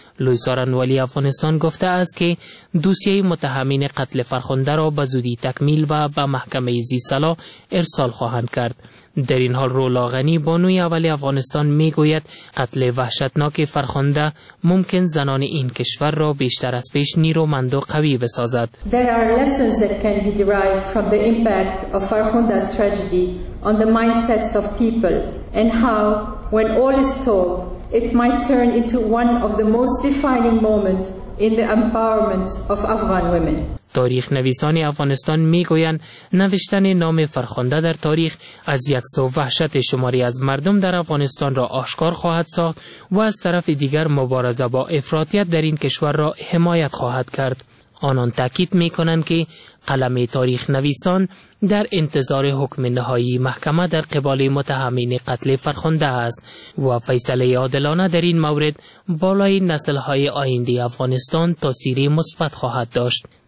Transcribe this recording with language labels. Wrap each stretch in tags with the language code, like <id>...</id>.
<fa>لوی سارانوالی افغانستان گفته است که دوسیه متهمین قتل فرخنده را به زودی تکمیل و به محکمه زیصلا ارسال خواهند کرد. در این حال رولا غنی بانوی اول افغانستان می گوید قتل وحشتناک فرخنده ممکن زنان این کشور را بیشتر از پیش نیرومند و قوی بسازد.</fa> <en>There are lessons that can be derived from the impact of Farhunda's tragedy on the mindsets of people and how, when all is told, it might turn into one of the most defining moments in the empowerment of Afghan women.</en> <fa>تاریخ نویسان افغانستان می گویند نوشتن نام فرخنده در تاریخ از یک سو وحشت شماری از مردم در افغانستان را آشکار خواهد ساخت و از طرف دیگر مبارزه با افراطیت در این کشور را حمایت خواهد کرد. آنان تاکید می کنند که قلم تاریخ نویسان در انتظار حکم نهایی محکمه در قبال متهمین قتل فرخنده است و فیصله عادلانه در این مورد بالای نسل های آینده افغانستان تاثیر مثبت خواهد داشت.</fa>